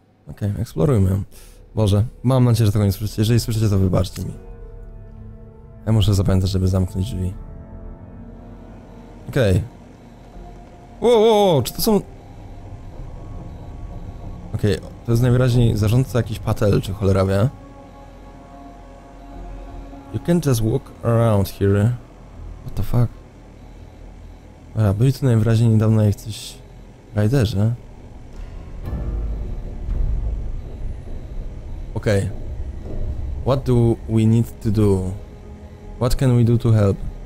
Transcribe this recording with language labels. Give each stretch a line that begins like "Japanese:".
Polish: Okej, eksplorujmy. Boże, mam nadzieję, że tego nie słyszycie. Jeżeli słyszycie, to wybaczcie mi. Ja muszę zapamiętać, żeby zamknąć drzwi. Okej. Czy to są... Okej, to jest najwyraźniej zarządca jakiś patel, czy cholera wie.
English: You can't just walk around here. What the fuck?
Polish: A, byli tu najwyraźniej niedawno jacyś rajderzy.
English: Okej. What do we need to do? What can we do to help?